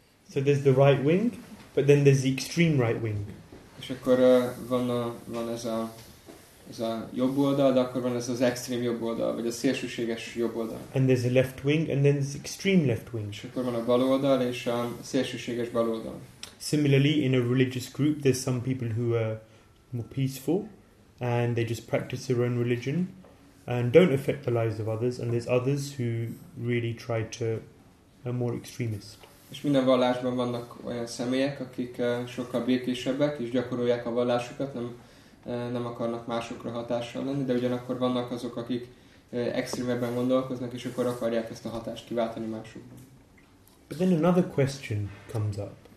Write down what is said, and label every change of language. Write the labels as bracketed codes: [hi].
[en] So there's the right wing, but then there's the extreme right wing. [hu] És akkor van ez a jobb oldal, de akkor van ez az extrém jobb oldal, vagy a szélsőséges jobb oldal. [en] And there's a left wing, and then there's extreme left wing. [hu] És akkor van a bal oldal és a szélsőséges bal oldal. [en] Similarly, in a religious group, there's some people who are more peaceful, and they just practice their own religion, and don't affect the lives of others, and there's others who really try to are more extremist. [hu] És minden vallásban vannak olyan személyek, akik sokkal békésebbek, és gyakorolják a vallásukat, nem akarnak másokra hatással lenni, de ugyanakkor vannak azok, akik extrémebben gondolkoznak, és akkor akarják ezt a hatást kiváltani másokban. [en] But then another question comes up.